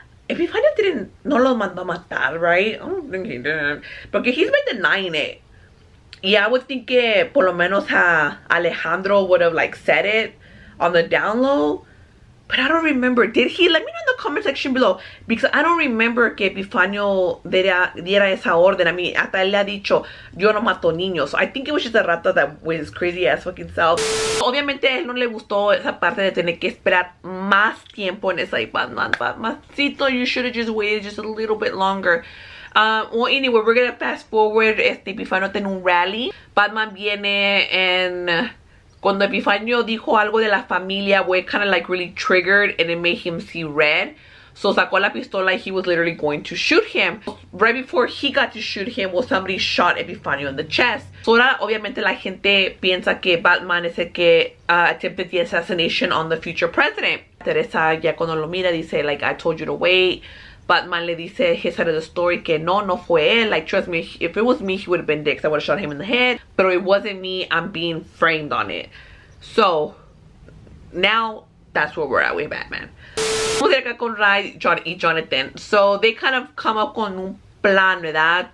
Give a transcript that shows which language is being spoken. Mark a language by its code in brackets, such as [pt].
[en] Epifanio didn't, [es] no lo mandó a matar, [en] right? I don't think he did. Porque he's been denying it. Yeah, I would think [es] que por lo menos [en] Alejandro would have like said it on the down low. But I don't remember. Did he? Let me know in the comment section below. Because I don't remember [es] que Epifanio diera esa orden. [en] I mean, [es] hasta él le ha dicho, yo no mato niños. [en] So I think it was just a rata that was crazy as fucking self. [es] Obviamente, él no le gustó esa parte de tener que esperar más tiempo en esa Batman. [en] Batmancito, you should have just waited just a little bit longer. Well, anyway, we're gonna fast forward. [es] Este Epifanio tiene un rally. Batman viene en... Cuando Epifanio dijo algo de la familia, [en] we kind of like really triggered and it made him see red. So [es] sacó la pistola [en] and he was literally going to shoot him. Right before he got to shoot him, well, somebody shot Epifanio in the chest. [es] So ahora, obviamente, la gente piensa que Batman es el que [en] attempted the assassination on the future president. Teresa [es] ya cuando lo mira dice, [en] like, I told you to wait. [es] Batman le dice [en] his side of the story [es] que no, no fue él. [en] Like, trust me, if it was me, he would have been dicks. I would have shot him in the head. But it wasn't me. I'm being framed on it. So, now, that's where we're at with Batman. [es] Vamos a ir acá con Ray y Jonathan. So, [en] they kind of come up [es] con un plan, ¿verdad?